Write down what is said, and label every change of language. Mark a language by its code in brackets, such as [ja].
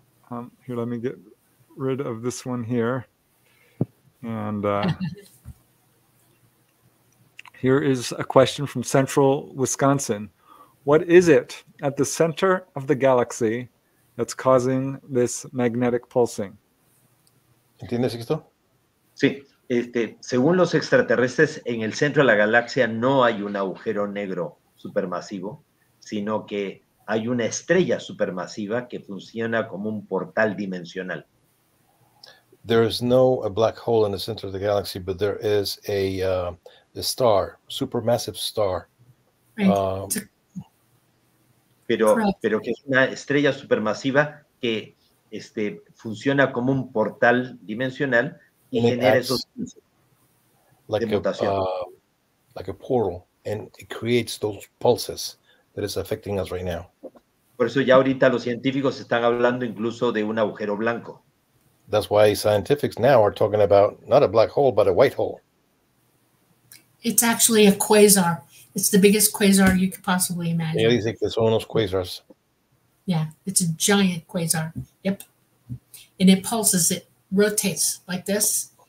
[en] Here, let me get rid of this one here. And here is a question from Central Wisconsin. What is it at the center of the galaxy that's causing this magnetic pulsing? [es] ¿Entiendes esto? Sí. Según los extraterrestres, en el centro de la galaxia no hay un agujero negro supermasivo, sino que hay una estrella supermasiva que funciona como un portal dimensional. [en] There is no a black hole in the center of the galaxy, but there is a star, supermassive star. [es] Pero que es una estrella supermasiva que funciona como un portal dimensional y genera esos like de mutación. [en] Like a portal, and it creates those pulses that is affecting us right now. [es] Por eso ya ahorita los científicos están hablando incluso de un agujero blanco. [en] That's why scientists now are talking about not a black hole, but a white hole. It's actually a quasar. It's the biggest quasar you could possibly imagine. Yeah, you think it's one of those quasars. Yeah, it's a giant quasar. Yep. And it pulses, it rotates like this.